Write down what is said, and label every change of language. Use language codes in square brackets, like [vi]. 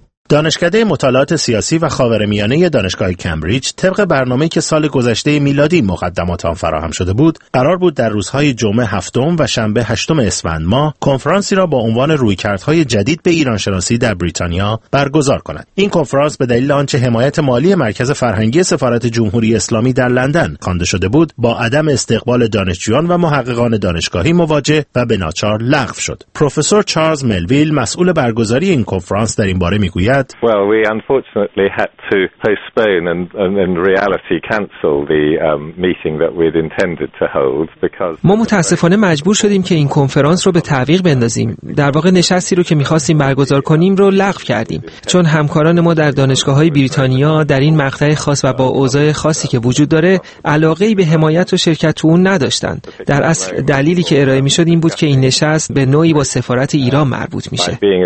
[fa] دانشکده مطالعات سیاسی و خاورمیانه دانشگاه کمبریج طبق برنامه که سال گذشته میلادی مقدمات آن فراهم شده بود، قرار بود در روزهای جمعه هفتم و شنبه هشتم اسفند ماه کنفرانسی را با عنوان رویکردهای جدید به ایران شناسی در بریتانیا برگزار کند. این کنفرانس به دلیل آنچه حمایت مالی مرکز فرهنگی سفارت جمهوری اسلامی در لندن خوانده شده بود، با عدم استقبال دانشجویان و محققان دانشگاهی مواجه و به ناچار لغو شد. پروفسور چارلز ملویل مسئول برگزاری این کنفرانس در این باره میگوید: [en] Well, we unfortunately had to postpone and in reality cancel the meeting that we'd intended to hold because [fa] ما متاسفانه مجبور شدیم که این کنفرانس رو به تعویق بندازیم. در واقع نشستی رو که می‌خواستیم برگزار کنیم رو لغو کردیم، چون همکاران ما در دانشگاه‌های بریتانیا در این مقطع خاص و با اوضاع خاصی که وجود داره علاقه‌ای به حمایت و شرکت تو اون نداشتند. در اصل دلیلی که ارائه می‌شد این بود که این نشست به نوعی با سفارت ایران مربوط میشه.